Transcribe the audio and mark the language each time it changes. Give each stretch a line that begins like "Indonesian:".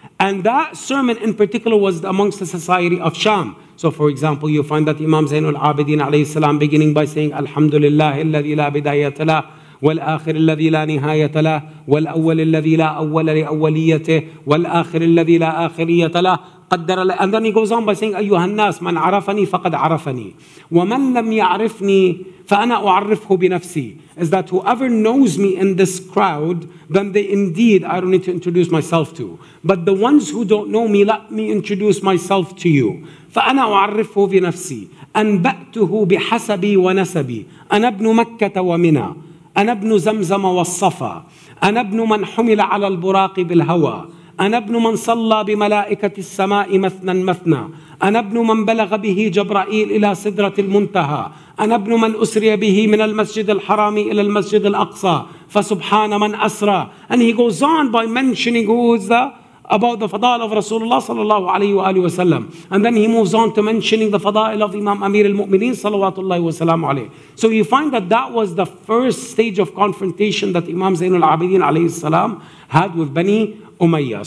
English: And that sermon in particular was amongst the society of Sham. So for example, you find that Imam Zainul Abidin alayhi salam beginning by saying,
Arabic: Alhamdulillah, alladhi la bidayata lah, والآخر الذي لا نهاية له والأول الذي لا أول لأوليته والآخر الذي لا آخرية له قدر له.
English: And then he goes on by saying,
Arabic: أيها الناس من عرفني فقد عرفني ومن لم يعرفني فأنا أعرفه بنفسي.
English: Is that whoever knows me in this crowd, then they indeed I don't need to introduce myself to. But the ones who don't know me, let me introduce myself to you.
Arabic: فأنا أعرفه بنفسي أنبأته بحسبي ونسبي أنا ابن مكة ومنى أنا ابن زمزم والصفا أنا ابن من حمل على البراق بالهوى أنا ابن من صلى بملائكة السماء مثنى مثنى أنا ابن من بلغ به جبرائيل إلى سدرة المنتهى أنا ابن من أسري به من المسجد الحرام إلى المسجد الأقصى فسبحان من أسرى.
English: And he goes on by mentioning who is the about the fada'il of Rasulullah sallallahu alayhi wa alayhi wa sallam. And then he moves on to mentioning the fada'il of Imam Amir al-Mu'mineen salawatullahi wa salamu alayhi. So you find that that was the first stage of confrontation that Imam Zainul Abidin alayhi salam had with Bani Umayyah.